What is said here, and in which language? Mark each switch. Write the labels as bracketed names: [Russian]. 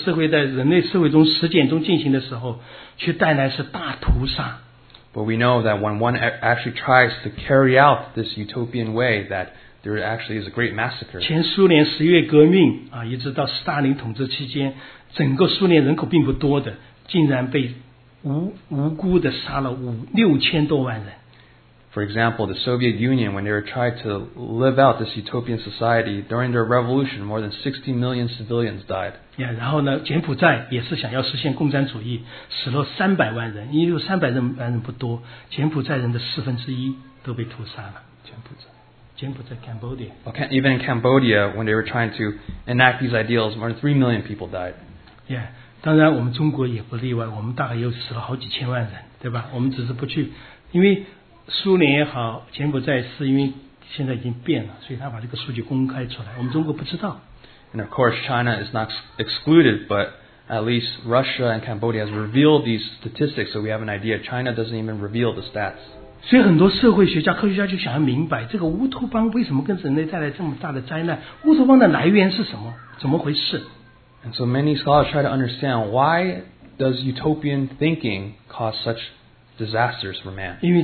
[Chinese] 但是我们当知道这个乌托邦的这个社会在人类社会中实践中进行的时候, 却带来是大屠杀。 [English] But we know that when one actually tries to carry out this utopian way, that there actually is a great massacre. [Chinese] 前苏联十月革命, 啊, 一直到斯大林统治期间, 整个苏联人口并不多的, 竟然被无辜的杀了六千多万人。 [English] For example, the Soviet Union, when they were trying to live out this utopian society, during their revolution, more than 60 million civilians died. Yeah, [Chinese] 然后呢, 柬埔寨也是想要实现共产主义, 死了300万人, 因为300万人不多, 柬埔寨人的四分之一都被屠杀了。柬埔寨, [English] Cambodia. Okay, even in Cambodia, when they were trying to enact these ideals, more than 3 million people died. Yeah, [Chinese] 当然我们中国也不例外, 我们大概又死了好几千万人, 对吧? 我们只是不去, 因为 苏联也好, 柬埔寨是因为现在已经变了, 所以他把这个数据公开出来, 我们中国不知道。 [English] And of course, China is not excluded, but at least Russia and Cambodia has revealed these statistics, so we have an idea. China doesn't even reveal the stats. [Chinese] 所以很多社会学家, 科学家就想要明白, 这个乌托邦为什么跟人类带来这么大的灾难, 乌托邦的来源是什么, 怎么回事? [English] And so many scholars try to understand why does utopian thinking cause such disasters for man.